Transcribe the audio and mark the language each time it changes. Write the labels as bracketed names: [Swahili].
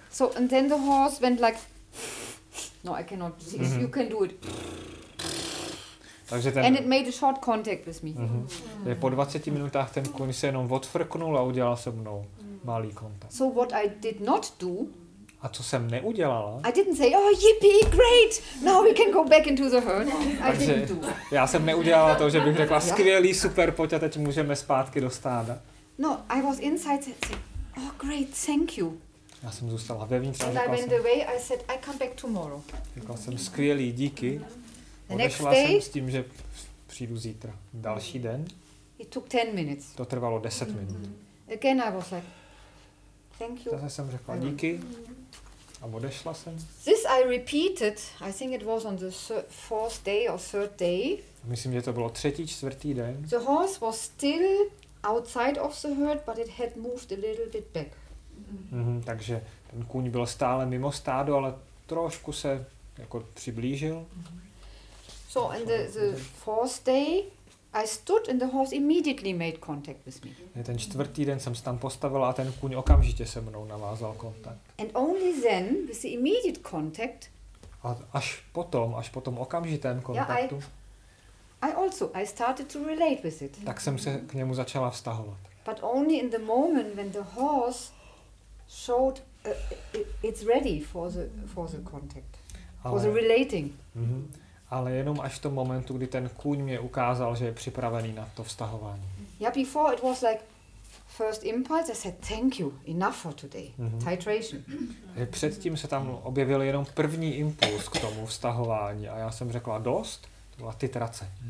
[English] So and then the horse went like, no, I cannot. Mm-hmm. You can do it. [Czech] Takže ten. [English] And it made a short contact with me. Mm-hmm. [Czech] Po 20 minutách ten kůň se jenom odfrknul a udělal se mnou malý kontakt. [English] So what I did not do. [Czech] A co jsem neudělala? [English] I didn't say, oh, yippee, great, now we can go back into the herd. No, [Czech] takže [English] I didn't do. [Czech] Já jsem neudělala to, že bych řekla, skvělý, super, pojď a teď můžeme zpátky do stáda. [English] No, I was inside, said, oh, great, thank you. [Czech] Já jsem zůstala vevnitř. [English] And I went away, I said, I come back tomorrow. [Czech] Řekla jsem, skvělý, díky. Odešla jsem s tím, že přijdu zítra. Další den. [English] It took 10 minutes. [Czech] To trvalo 10 minut. [English] Again I was like, thank you. [Czech] Zase jsem řekla, díky. A odešla jsem. [English] This I repeated. I think it was on the fourth day or third day. [Czech] Myslím, že to bylo třetí, čtvrtý den. [English] The horse was still outside of the herd, but it had moved a little bit back. [Czech] Mm-hmm, takže ten kůň byl stále mimo stádo, ale trošku se jako přiblížil. Mm-hmm. [English] So and the fourth day I stood and the horse immediately made contact with me. [Czech] Ten čtvrtý den jsem se tam postavila a ten kůň okamžitě se mnou navázal kontakt. [English] And only then with the immediate contact. [Czech] A až potom okamžitém kontaktu. [English] Yeah, I started to relate with it. [Czech] Tak jsem se k němu začala vztahovat. [English] But only in the moment when the horse showed it's ready for the contact. [Czech] Ale, [English] for the relating. Mm-hmm. [Czech] Ale jenom až v tom momentu, kdy ten kůň mě ukázal, že je připravený na to vztahování. [English] Yeah, before it was like first impulse, I said thank you, enough for today, titration. [Czech] Předtím se tam objevil jenom první impuls k tomu vztahování a já jsem řekla dost, to byla titrace.